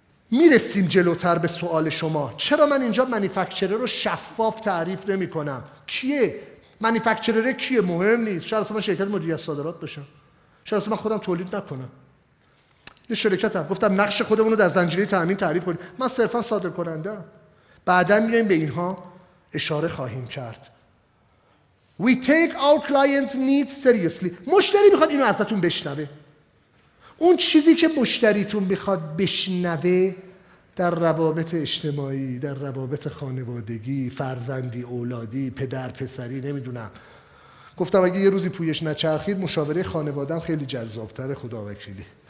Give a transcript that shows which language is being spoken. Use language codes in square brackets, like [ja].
[fa] میرسیم جلوتر به سوال شما، چرا من اینجا منیفکچره رو شفاف تعریف نمی کنم؟ کیه؟ منیفکچره کیه؟ مهم نیست. شاید اصلا من شرکت مدیریت صادرات باشم، شاید اصلا من خودم تولید نکنم، یه شرکت هم. گفتم نقش خودمون رو در زنجیره تامین تعریف کنیم، من صرفا صادر کننده. بعدم میایم به اینها اشاره خواهیم کرد. [en] We take our clients' needs seriously. [fa] مشتری میخواد اینو ازتون بشنوه. اون چیزی که مشتریتون میخواد بشنوه در روابط اجتماعی، در روابط خانوادگی، فرزندی، اولادی، پدر، پسری، نمیدونم. گفتم اگه یه روزی پویش نچرخید، مشاوره خانواده‌ام خیلی جذاب‌تره، خدا وکیلی.